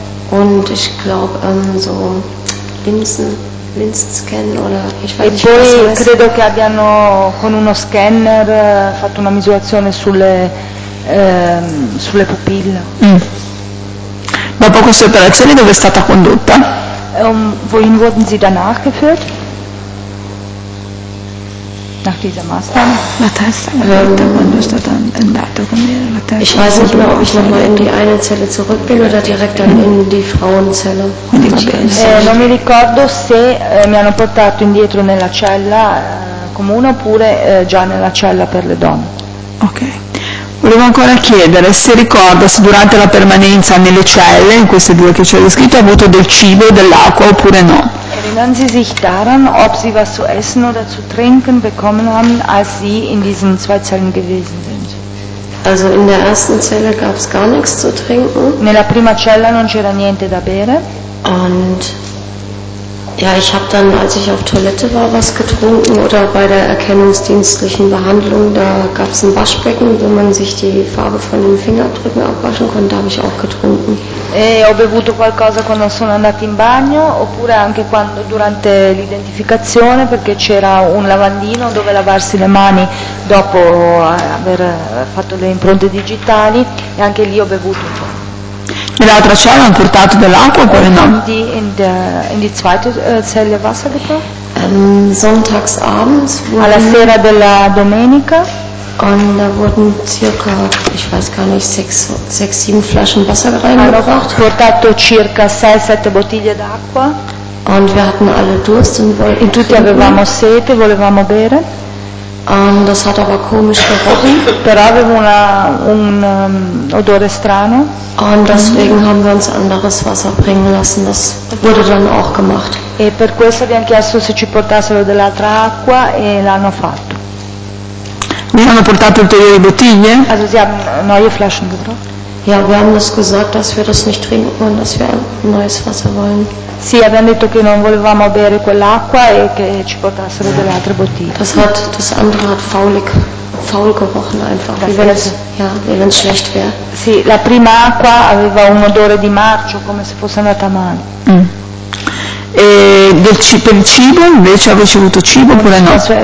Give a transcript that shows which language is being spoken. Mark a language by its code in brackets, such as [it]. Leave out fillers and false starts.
[de] Und ich glaube so Linsen. Linsenscan oder ich weiß e nicht, [it] poi credo che abbiano con uno scanner fatto una misurazione sulle sulle pupille. Dopo questa operazione dove è stata condotta? [de] Wohin wurden sie danach geführt? Nach dieser Maßnahme? [it] La testa, quando è stata andata, la testa. [de] Ich weiß nicht mehr, ob ich nochmal in die eine Zelle zurück bin oder direkt dann in die Frauenzelle. [it] Non mi ricordo se mi hanno portato indietro nella cella comune oppure già nella cella per le donne. Ok. Volevo ancora chiedere se ricorda se durante la permanenza nelle celle, in queste due che ci hai descritto, ha avuto del cibo e dell'acqua oppure no. [de] Erinnern Sie sich daran, ob Sie was zu essen oder zu trinken bekommen haben, als Sie in diesen zwei Zellen gewesen sind? Also in der ersten Zelle gab es gar nichts zu trinken. [it] Nella prima cella non c'era niente da bere. [de] Und ja, ich habe dann, als ich auf Toilette war, was getrunken oder bei der erkennungsdienstlichen Behandlung, da gab es ein Waschbecken, wo man sich die Farbe von den Fingerabdrücken abwaschen konnte, da habe ich auch getrunken. [it] E ho bevuto qualcosa quando sono andata in bagno oppure anche quando, durante l'identificazione, perché c'era un lavandino dove lavarsi le mani dopo aver fatto le impronte digitali e anche lì ho bevuto un po'. Nell'altra cella hanno portato dell'acqua oppure no? [de] In die zweite Zelle Wasser gebracht? Sonntagsabends. [it] Alla sera della domenica. [de] Und da wurden circa, ich weiß gar nicht, 6-7 Flaschen Wasser reingebracht. [it] Hanno portato circa 6-7 bottiglie d'acqua. [de] Und wir hatten alle Durst und wollten trinken. [it] Tutti avevamo sete, volevamo bere. [de] Und das hat aber komisch gerochen. [it] Però aveva odore strano. [de] Und deswegen haben wir uns anderes Wasser bringen lassen. Das wurde dann auch gemacht. [it] E per questo abbiamo chiesto se ci portassero dell'altra acqua e l'hanno fatto. Mi hanno portato ulteriori bottiglie? [de] Also sie haben neue Flaschen gebracht? Ja, wir haben das gesagt, dass wir das nicht trinken wollen, dass wir ein neues Wasser wollen. [it] Sì, abbiamo detto che non volevamo bere quell'acqua e che ci portassero delle altre bottiglie. [de] Das andere hat faul gerochen einfach, wie wenn es schlecht wäre. [it] Sì, la prima acqua aveva un odore di marcio, come se fosse andata male. E per il cibo invece avevi avuto cibo oppure no?